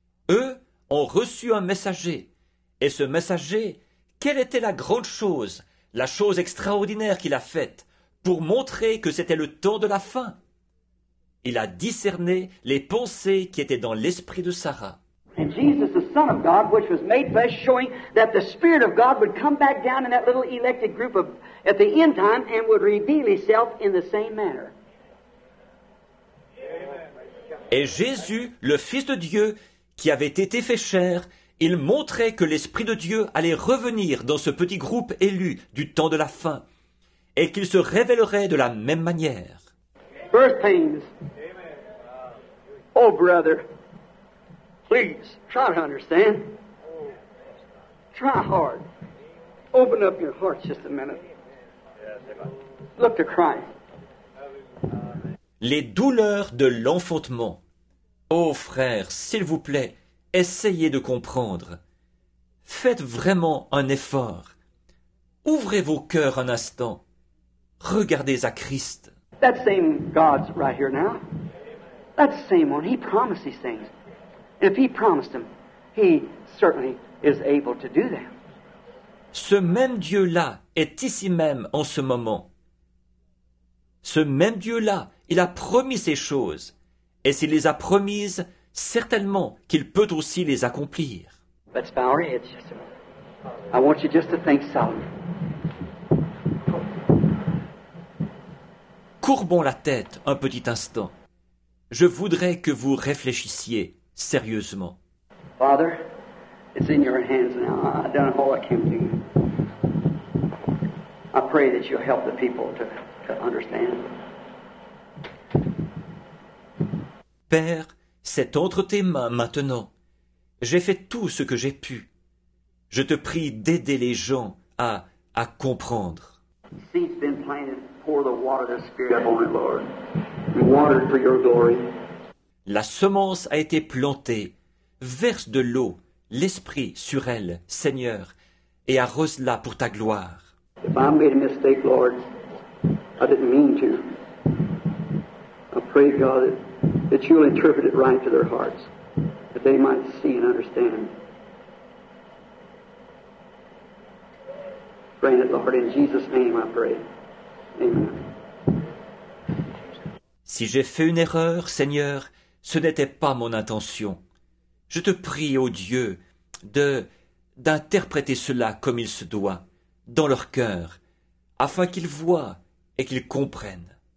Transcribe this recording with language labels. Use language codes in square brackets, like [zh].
[fr] Eux ont reçu un messager. Et ce messager, quelle était la grande chose, la chose extraordinaire qu'il a faite pour montrer que c'était le temps de la fin? Il a discerné les pensées qui étaient dans l'esprit de Sarah. [en] And Jesus, the Son of God, which was made flesh, showing that the Spirit of God would come back down in that little elected group of, at the end time and would reveal himself in the same manner. [fr] Et Jésus, le Fils de Dieu, qui avait été fait chair, il montrait que l'Esprit de Dieu allait revenir dans ce petit groupe élu du temps de la fin et qu'il se révélerait de la même manière. [en] Birth pains. Oh, brother. Please, try to understand. Try hard. Open up your heart just a minute. Look to Christ. [fr] Les douleurs de l'enfantement. Oh, frère, s'il vous plaît, essayez de comprendre. Faites vraiment un effort. Ouvrez vos cœurs un instant. Regardez à Christ. [en] That same God's right here now. That same one. He promised these things. And if he promised them, he certainly is able to do them. [fr] Ce même Dieu-là est ici même en ce moment. Ce même Dieu-là, il a promis ces choses. Et s'il les a promises, certainement qu'il peut aussi les accomplir. [en] Let's bow our heads just a moment. I want you just to think solemnly. [fr] Courbons la tête un petit instant. Je voudrais que vous réfléchissiez sérieusement. [en] Father, it's in your hands now. I've done all I can to you. I pray that you'll help the people to understand. [fr] Père, c'est entre tes mains maintenant. J'ai fait tout ce que j'ai pu. Je te prie d'aider les gens à comprendre. [en] Seed's been planted. Pour the water of the Spirit. Yeah, Holy Lord. We water for your glory. [fr] La semence a été plantée. Verse de l'eau, l'Esprit sur elle, Seigneur, et arrose-la pour ta gloire. [en] If I made a mistake, Lord, I didn't mean to. I pray, God, that you'll interpret it right to their hearts, that they might see and understand. Pray it, Lord, in Jesus' name I pray. Amen. [fr] Si j'ai fait une erreur, Seigneur, ce n'était pas mon intention. Je te prie, ô Dieu, d'interpréter cela comme il se doit, dans leur cœur, afin qu'ils voient et qu'ils comprennent.